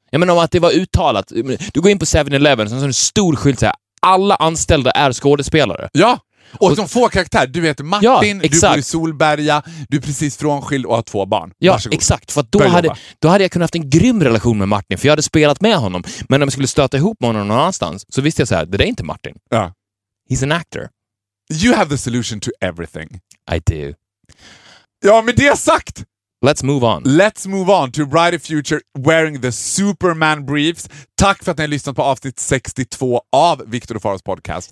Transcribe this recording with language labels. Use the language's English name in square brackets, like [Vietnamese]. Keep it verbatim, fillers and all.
[Swedish] Jag menar om att det var uttalat. Du går in på seven eleven som en stor skylt så här, alla anställda är skådespelare. Ja. Och som får karaktär, du heter Martin, ja, du bor i Solberga, du är precis frånskild och har två barn. Ja, varsågod. Exakt. För att då, hade, då hade jag kunnat haft en grym relation med Martin, för jag hade spelat med honom. Men om jag skulle stöta ihop med honom någon annanstans så visste jag så här, det där är inte Martin. Ja. [English] He's an actor. You have the solution to everything. I do. [Swedish] Ja, med det sagt! [English] Let's move on. Let's move on to a brighter future wearing the Superman briefs. [Swedish] Tack för att ni har lyssnat på avsnitt sextiotvå av Victor och Faros podcast.